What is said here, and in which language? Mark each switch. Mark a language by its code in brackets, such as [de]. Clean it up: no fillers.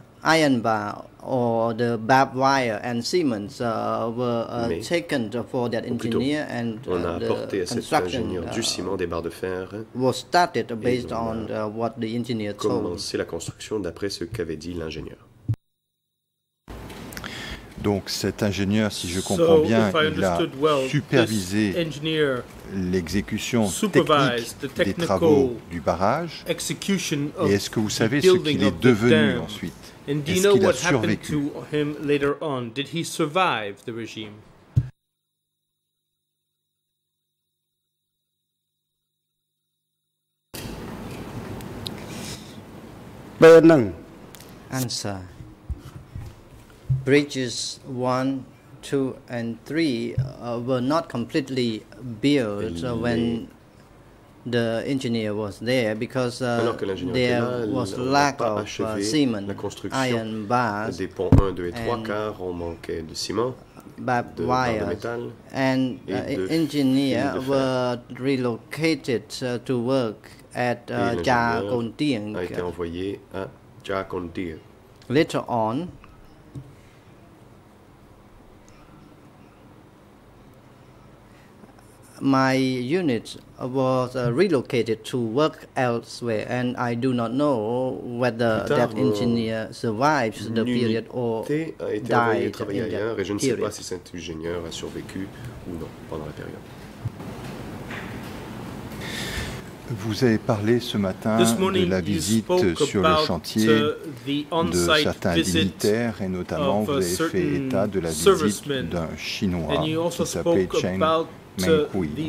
[en] Iron bar or the barbed wire and cements were taken for that engineer and the construction [fr] du ciment, des barres de fer, [en] was started based on what the engineer told. [fr] Commencé la construction d'après ce qu'avait dit l'ingénieur. Donc cet ingénieur, si je comprends bien, il a supervisé l'exécution technique des travaux du barrage. Et est-ce que vous savez ce qu'il est devenu ensuite? [en] And do you know what happened to him later on? Did he survive the regime? Answer. Bridges 1, 2, and 3 were not completely built when the engineer was there because there was lack of cement, iron bars, [fr] des ponts 1, 2 et 3, car on manquait de ciment, [en] barbed wire, and engineers were relocated to work at Jia Gongding. [fr] A été envoyé à Jia Gongding. [en] Later on, my unit was relocated to work elsewhere, and I do not know whether that engineer survives the period or died in that period. [fr] Je ne sais pas si cet ingénieur a survécu ou non pendant la période. Vous avez parlé ce matin de la visite sur le chantier de certains dignitaires, et notamment vous avez fait état de la visite d'un Chinois qui s'appelait Cheng Menghui.